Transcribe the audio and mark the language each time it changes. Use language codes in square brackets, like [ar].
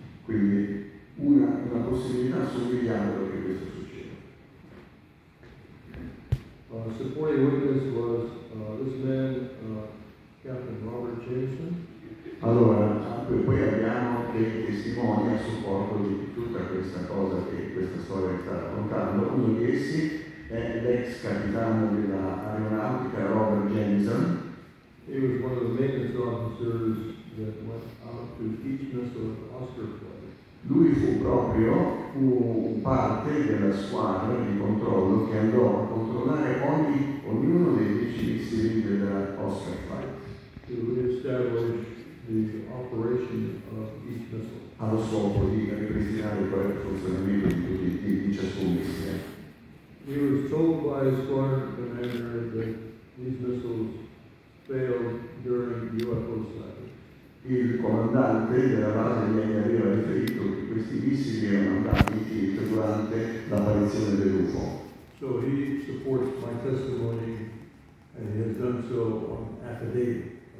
[it] Quindi una possibilità su 1 miliardo che questo succeda. [en] A supporting witness was this man, Captain Robert Jameson. [it] Allora, poi abbiamo dei testimoni a supporto di tutta questa cosa che questa storia sta raccontando. Uno di essi è l'ex capitano della aeronautica Robert Jameson. [en] He was one of the maintenance officers that went out to each missile at Oscar Flight. [it] Lui fu parte della squadra di controllo che andò a controllare ognuno dei 10 missili della Oscar Flight. [en] The operation of each missile. [it] Allo scopo di ripristinare il corretto funzionamento di ciascun missile. [en] He was told by his squadron commander that these missiles failed during UFO sightings. [it] Il comandante della base di aereo aveva riferito che questi missili erano andati durante l'apparizione dell'UFO. [en] So he supports my testimony and he has done so on affidavit.